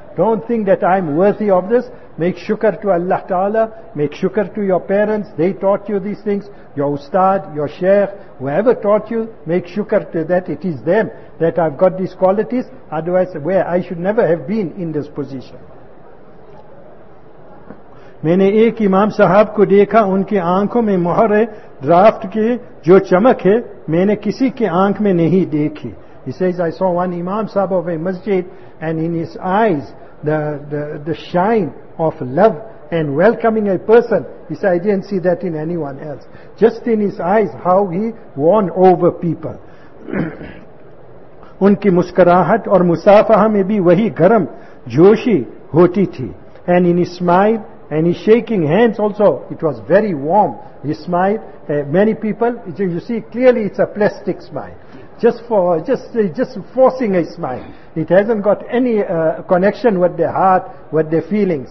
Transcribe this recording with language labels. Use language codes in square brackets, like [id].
[en] Don't think that I'm worthy of this. Make shukr to Allah Ta'ala. Make shukr to your parents. They taught you these things. Your ustad, your sheikh, whoever taught you, make shukr to that. It is them that I've got these qualities. Otherwise, where I should never have been in this position. [hi] मैंने एक इमाम साहब को देखा उनकी आंखों में मोहर है ड्राफ्ट की जो चमक है मैंने किसी के आंख में नहीं देखी. [en] He says I saw one imam sahab of a masjid and in his eyes the shine of love and welcoming a person. He said I didn't see that in anyone else. Just in his eyes how he won over people. [hi] उनकी मुस्कराहट और मुसाफ़ा में भी वही गर्म जोशी होती थी. [en] And in his smile and his shaking hands also, it was very warm. His smile, many people, you see clearly it's a plastic smile. Just forcing a smile. It hasn't got any connection with their heart, with their feelings.